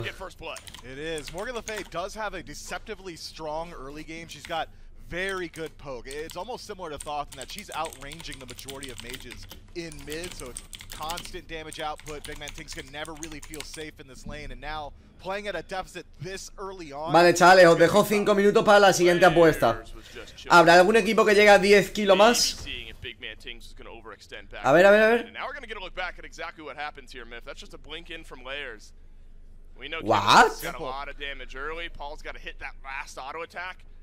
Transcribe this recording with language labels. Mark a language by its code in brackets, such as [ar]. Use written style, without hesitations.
[en] Get first blood. It is. Morgan Le Fay does have a deceptively strong early game. She's got very good poke. It's almost similar to Thoth in that she's outranging the majority of mages in mid, so it's constant damage output. Big Man Tinks can never really feel safe in this lane, and now playing at a deficit this early on. [es] Vale, chale, os dejo 5 minutos para la siguiente apuesta. ¿Habrá algún equipo que llegue a 10 kilos más? [en] Big Man Tings is going to overextend back. [es] A ver, a ver, a ver. [en] Now we're going to get a look back at exactly what happens here, Miff. That's just a blink in from Layers. We know Kim's got a lot of damage early. Paul's got to hit that last auto attack.